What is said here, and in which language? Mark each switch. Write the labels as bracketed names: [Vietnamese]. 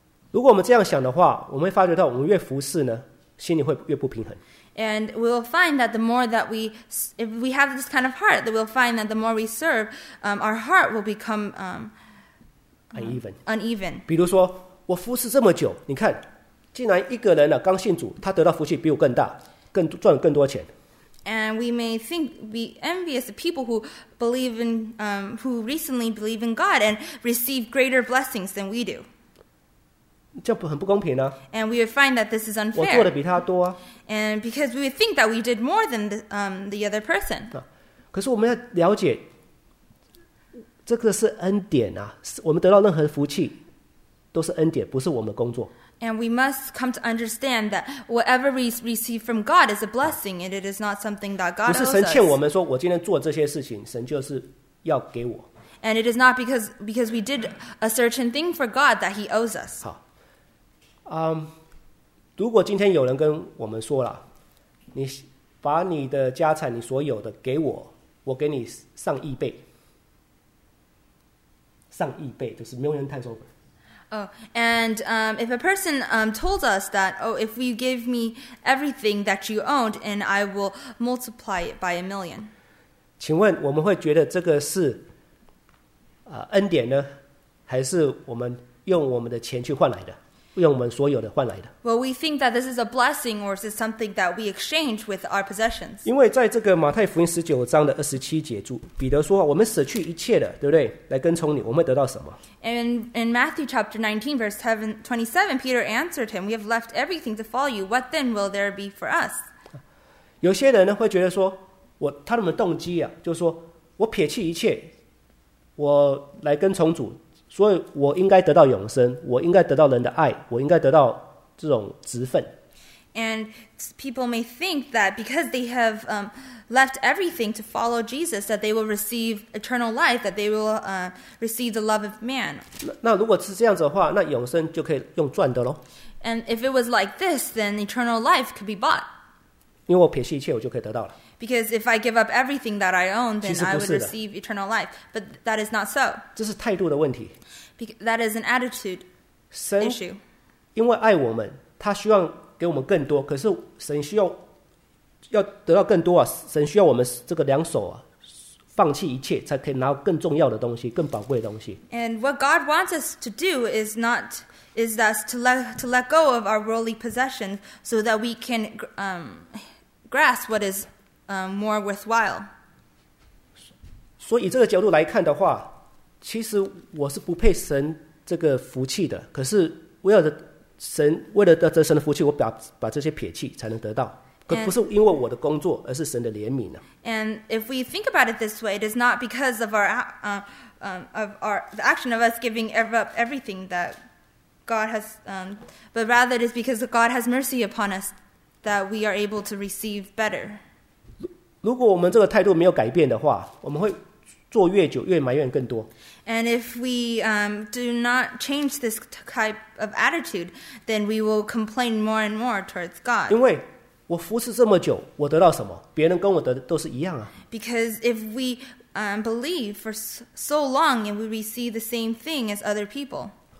[Chinese] 如果我们这样想的话，我们会发觉到我们越服侍呢，心里会越不平衡。 [English] And we'll find that the more that we, if we have this kind of heart, that we'll find that the more we serve, our heart will become uneven. [Chinese] 比如说，我服侍这么久，你看，竟然一个人呢刚信主，他得到福气比我更大，更赚更多钱。 [English] And we may think, be envious of people who believe in, who recently believe in God and receive greater blessings than we do. [Chinese] 就很不公平啊。 [English] And we would find that this is unfair. [Chinese] 我做的比他多啊。 [English] And because we would think that we did more than the other person. [Chinese] 可是我们要了解，这个是恩典啊，我们得到任何福气都是恩典，不是我们的工作。 [English] And we must come to understand that whatever we receive from God is a blessing, and it is not something that God owes us. [Chinese] 不是神欠我们说，我今天做这些事情，神就是要给我。 [English] And it is not because we did a certain thing for God that He owes us. [Chinese] 好，如果今天有人跟我们说了，你把你的家产，你所有的给我，我给你上亿倍，上亿倍就是 [English] million times over。 Oh, and if a person told us that, oh, if you give me everything that you owned, and I will multiply it by a million. [Chinese] 请问我们会觉得这个是恩典呢，还是我们用我们的钱去换来的，用我们所有的换来的？ [English] Well, we think that this is a blessing, or is it something that we exchange with our possessions? [Chinese] 因为在这个马太福音十九章的二十七节，彼得说，我们舍去一切的，对不对？来跟从你，我们会得到什么？ [English] And in Matthew chapter 19, verse 27, Peter answered him, "We have left everything to follow you. What then will there be for us?" [Chinese] 有些人呢会觉得说，我他们的动机啊，就是说我撇弃一切，我来跟从主。所以我应该得到永生，我应该得到人的爱，我应该得到这种职分。 [English] And people may think that because they have left everything to follow Jesus, that they will receive eternal life, that they will receive the love of man. [Chinese] 那如果是这样子的话, 那永生就可以用赚的咯。 [English] And if it was like this, then eternal life could be bought. [Chinese] 因为我撇弃一切我就可以得到了。 [English] Because if I give up everything that I own, then I would receive eternal life. But that is not so. [Chinese] 这是态度的问题。 [English] That is an attitude issue. [Chinese] 因为爱我们, 他希望给我们更多, 可是神希望 要得到更多啊, 神需要我们这个两手啊, 放弃一切, 才可以拿到更重要的东西, 更宝贵的东西。 [English] And what God wants us to do is not is thus to let go of our worldly possessions so that we can grasp what is more worthwhile. [Chinese] 所以以这个角度来看的话, 其实我是不配神这个福气的, 可是为了得神的福气, 我把这些撇弃, 才能得到。可不是因为我的工作, [English] and if we think about it this way, it is not because of our the action of us giving up everything that God has, but rather it is because God has mercy upon us that we are able to receive better. [Chinese] 如果我们这个态度没有改变的话, 我们会做越久越埋怨更多。 [English] And if we do not change this type of attitude, then we will complain more and more towards God. [Chinese] 我服侍这么久，我得到什么？别人跟我得的都是一样啊。 [English] Because if we believe for so long, and we receive the same thing as other people.